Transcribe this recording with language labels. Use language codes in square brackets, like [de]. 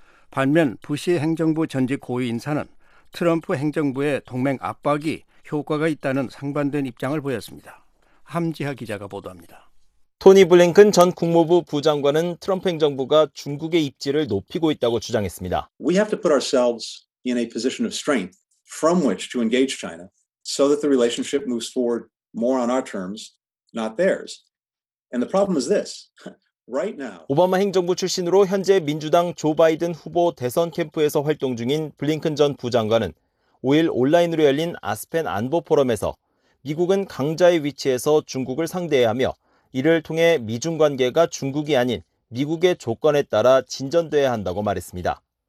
[ko] 반면 부시 행정부 전직 고위 인사는 트럼프 행정부의 동맹 압박이 효과가 있다는 상반된 입장을 보였습니다. 함지하 기자가 보도합니다. 토니 블링컨 전 국무부 부장관은 트럼프 행정부가 중국의 입지를 높이고 있다고 주장했습니다. [en] We have to put ourselves in a position of strength from which to engage China. So that the relationship moves forward more on our terms, not theirs. And the problem is this. Right now, [ko] 오바마 행정부 출신으로 현재 민주당 조 바이든 후보 대선 캠프에서 활동 중인 블링컨 전 부장관은 5일 온라인으로 열린 아스펜 안보 포럼에서 미국은 강자의 위치에서 중국을 상대해야 하며 이를 통해 미중 관계가 중국이 아닌 미국의 조건에 따라 진전돼야 한다고 말했습니다.